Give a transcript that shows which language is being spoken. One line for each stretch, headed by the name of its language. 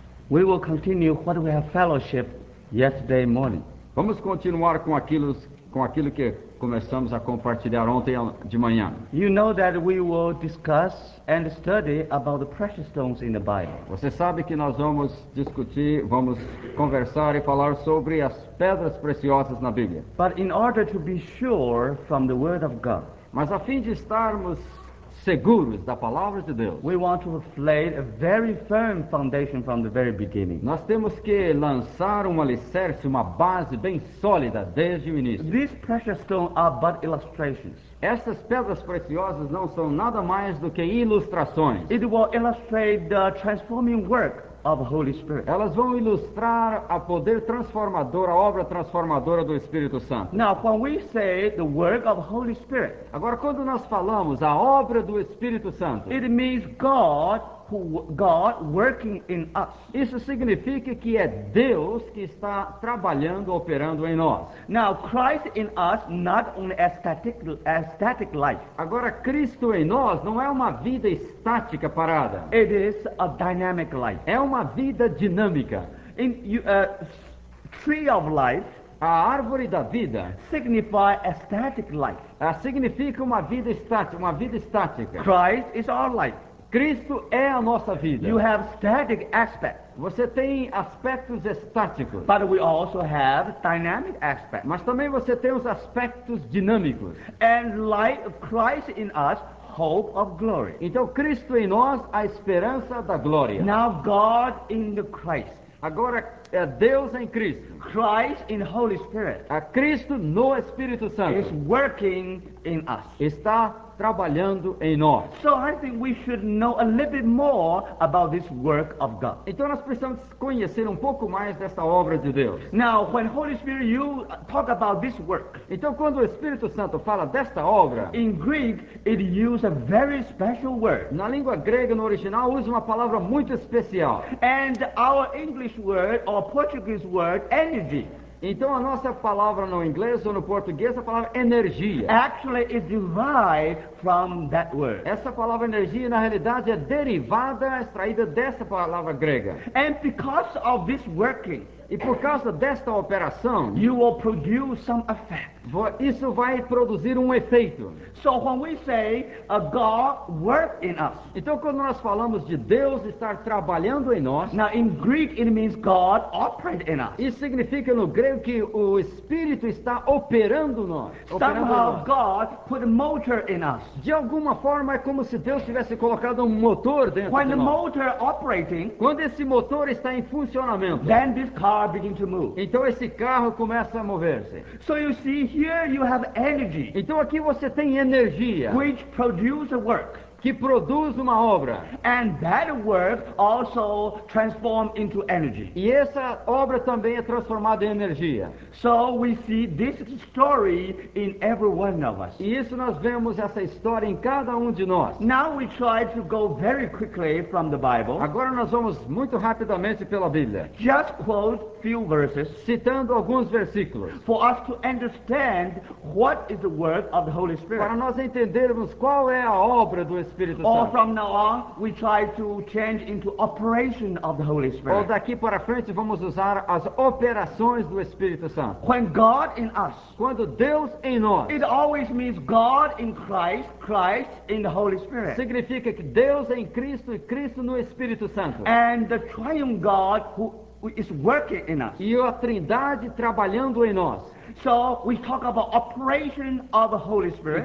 English: We will continue what we have fellowship yesterday morning.
Portuguese: Vamos continuar com aquilo que começamos a compartilhar ontem de manhã.
English: You know that we will discuss and study about the precious stones in the Bible.
Portuguese: Você sabe que nós vamos discutir, vamos conversar e falar sobre as pedras preciosas na Bíblia.
English: But in order to be sure from the Word of God.
Portuguese: Mas a fim de estarmos seguros da palavra de Deus.
English: We want to lay a very firm foundation from the very beginning.
Portuguese: Nós temos que lançar um alicerce, uma base bem sólida desde o início.
English: These precious stones are but illustrations.
Portuguese: Essas pedras preciosas não são nada mais do que ilustrações.
English: It will illustrate the transforming work of the Holy Spirit.
Portuguese: Elas vão ilustrar a poder transformador, a obra transformadora do Espírito Santo.
English: Now, when we say the work of the Holy Spirit,
Portuguese: agora quando nós falamos a obra do Espírito Santo,
English: it means God working in us.
Portuguese: Isso significa que é Deus que está trabalhando, operando em nós.
English: Now, Christ in us, not an aesthetic life.
Portuguese: Agora, Cristo em nós não é uma vida estática parada.
English: It is a dynamic life.
Portuguese: É uma vida dinâmica.
English: In tree of life,
Portuguese: a árvore da vida,
English: signify aesthetic life.
Portuguese: Significa uma vida estática, uma vida estática.
English: Christ is our life.
Portuguese: Cristo é a nossa vida.
English: You have static aspect.
Portuguese: Você tem aspectos estáticos.
English: But we also have dynamic aspect.
Portuguese: Mas também você tem os aspectos dinâmicos.
English: And light of Christ in us, hope of glory.
Portuguese: Então Cristo em nós, a esperança da glória.
English: Now God in the Christ.
Portuguese: Agora é Deus em Cristo.
English: Christ in Holy Spirit.
Portuguese: A Cristo no Espírito Santo.
English: Is working in us.
Portuguese: Está trabalhando em nós.
English: So I think we should know a little bit more about this work of God.
Portuguese: Então nós precisamos conhecer um pouco mais dessa obra de Deus.
English: Now, when Holy Spirit you talk about this work.
Portuguese: Então quando o Espírito Santo fala desta obra.
English: In Greek it uses a very special word.
Portuguese: Na língua grega no original usa uma palavra muito especial.
English: And our English word or Portuguese word energy.
Portuguese: Então a nossa palavra no inglês ou no português é a palavra energia.
English: Actually is derived from that word.
Portuguese: Essa palavra energia na realidade é derivada, extraída dessa palavra grega.
English: And because of this working.
Portuguese: E por causa desta operação,
English: you will produce some effect.
Portuguese: Isso vai produzir um efeito.
English: So when we say a God work in us,
Portuguese: então quando nós falamos de Deus estar trabalhando em nós,
English: now in Greek it means God operate in us.
Portuguese: Isso significa no grego que o Espírito está operando nós.
English: Somehow God put a motor in us.
Portuguese: De alguma forma é como se Deus tivesse colocado um motor dentro
English: when
Portuguese: de
English: the
Portuguese: nós.
English: Motor operating,
Portuguese: quando esse motor está em funcionamento,
English: then this car begin to move.
Portuguese: Então esse carro começa a mover-se.
English: So you see, here you have energy.
Portuguese: Então aqui você tem energia,
English: which produce a work,
Portuguese: que produz uma obra.
English: And that work also transform into energy.
Portuguese: E essa obra também é transformada em energia.
English: So we see this story in every one of us.
Portuguese: E isso nós vemos essa história em cada de nós.
English: Now we try to go very quickly from the Bible.
Portuguese: Agora nós vamos muito rapidamente pela Bíblia.
English: Just quote few verses,
Portuguese: citando alguns versículos,
English: for us to understand what is the work of the Holy Spirit.
Portuguese: Para nós entendermos qual é a obra do Espírito
English: Santo. Or from now on, we try to change into operation of the Holy Spirit.
Portuguese: Ou daqui para frente vamos usar as operações do Espírito Santo.
English: When God in us,
Portuguese: quando Deus em nós,
English: it always means God in Christ, Christ in the Holy Spirit.
Portuguese: Significa que Deus em Cristo e Cristo no Espírito Santo.
English: And the triune God who is working in us.
Portuguese: E a Trindade trabalhando em nós.
English: So we talk about operation of the Holy Spirit.